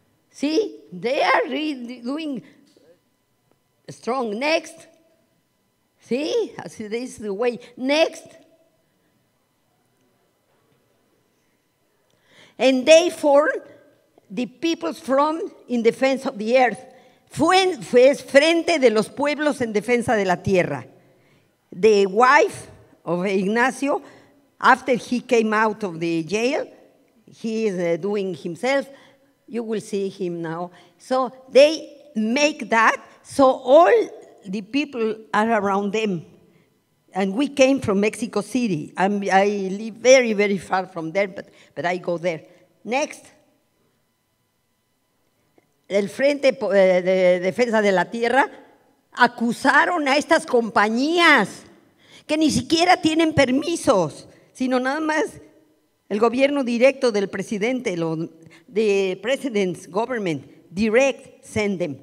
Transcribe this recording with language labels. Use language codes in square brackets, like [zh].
[en] See, they are really doing strong. Next. See, this is the way. Next. And they formed the People's Front in Defense of the Earth. [es] Fue Frente de los Pueblos en Defensa de la Tierra. [en] The wife of Ignacio, after he came out of the jail, he is doing himself. You will see him now. So they make that so all the people are around them. And we came from Mexico City. I live very, very far from there, but I go there. Next. [es] El Frente de Defensa de la Tierra acusaron a estas compañías que ni siquiera tienen permisos, sino nada más el gobierno directo del presidente, [en] the president's government, direct send them.